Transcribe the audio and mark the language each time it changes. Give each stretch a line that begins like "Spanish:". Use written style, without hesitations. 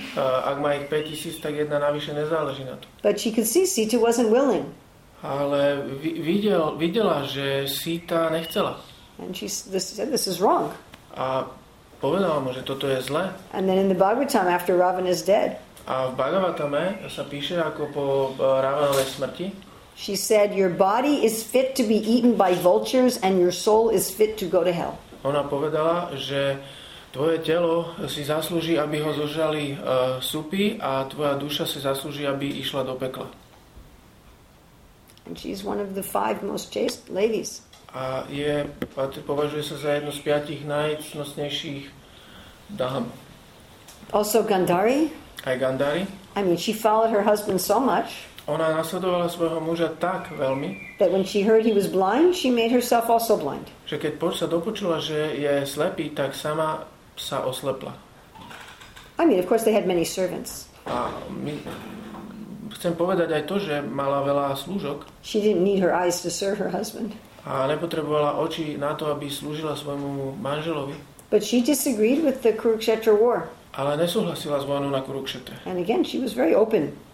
Slovak: Ak má ich 5,000, tak jedna navyše nezáleží na tom.
English: But she could see Sita wasn't willing.
Slovak: Ale videla, že Sita nechcela.
English: And she said, this is wrong.
Slovak: A povedala mu, že toto je zle.
English: And then in the Bhagavatam, after Ravana is dead.
Slovak: A v Bhagavatame sa píše ako po Ravanovej smrti.
English: She said, your body is fit to be eaten by vultures and your soul is fit to go to hell.
Slovak: Ona povedala, že tvoje telo si zaslúži, aby ho zožrali súpy a tvoja duša si zaslúži, aby išla do pekla.
English: And she's one of the five most chaste ladies.
Slovak: A je, považuje sa za jednu z piatich najcnostnejších dám.
English: Also Gandhari.
Slovak: Aj Gandhari.
English: I mean, she followed her husband so much.
Slovak: Ona nasledovala svojho muža tak veľmi.
English: That when she heard he was blind, she made herself also blind.
Slovak: Že keď sa dopočula, že je slepý, tak sama sa oslepla.
English: I mean, of course they had many servants.
Slovak: A my, chcem povedať aj to, že mala veľa slúžok.
English: She didn't need her eyes to serve her husband.
Slovak: A nepotrebovala oči na to, aby slúžila svojmu manželovi.
English: But she disagreed with the Kurukshetra war.
Slovak: Ale nesúhlasila s vojnou na Kurukshetre.
English: And again, she was very open.